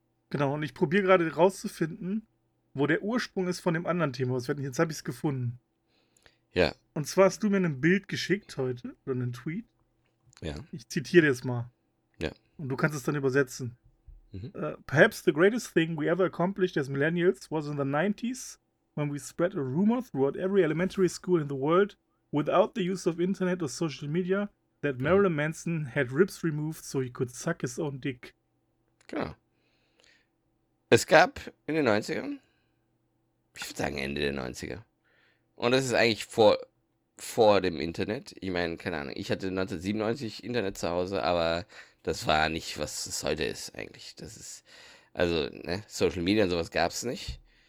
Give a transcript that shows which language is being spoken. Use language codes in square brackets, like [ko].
[de] Genau, und ich probiere gerade rauszufinden, wo der Ursprung ist von dem anderen Thema. Was werden jetzt habe ich es gefunden. Ja. Und zwar hast du mir ein Bild geschickt heute oder einen Tweet. Ja. Ich zitiere es mal. Und du kannst es dann übersetzen. [en] Perhaps the greatest thing we ever accomplished as millennials was in the 90s, when we spread a rumor throughout every elementary school in the world without the use of internet or social media that Marilyn Manson had ribs removed so he could suck his own dick. [de] Genau. Es gab in den 90ern, ich würde sagen Ende der 90er. Und das ist eigentlich vor dem Internet. Ich meine, keine Ahnung, ich hatte 1997 Internet zu Hause, aber das war nicht, was es heute ist eigentlich. Das ist, also, ne, Social Media und sowas gab es nicht.